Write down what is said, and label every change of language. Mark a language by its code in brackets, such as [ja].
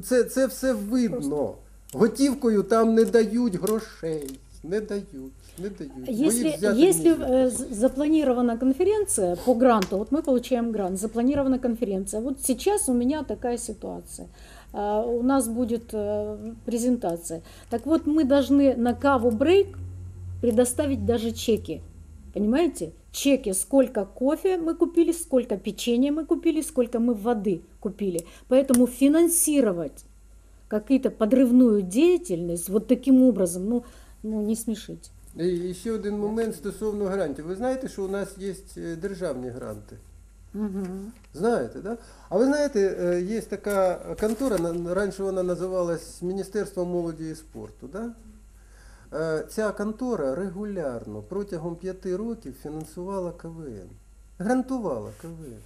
[uk] Це все видно. Готівкою там не дають грошей. Не дають. [ru] Если запланирована конференция по гранту, вот мы получаем грант, запланирована конференция. Вот сейчас у меня такая ситуация. У нас будет презентация. Так вот, мы должны на каву брейк предоставить даже чеки. Понимаете? Чеки, сколько кофе мы купили, сколько печенья мы купили, сколько мы воды купили. Поэтому финансировать какую-то подрывную деятельность вот таким образом, ну не смешите. И еще один момент [uk] стосовно грантів. Ви знаєте, що у нас є державні гранти? Угу. Знаєте, да? А ви знаєте, є така контора, раніше вона називалась Міністерство молоді і спорту, да? Ця контора регулярно протягом 5 років фінансувала КВН, грантувала КВН.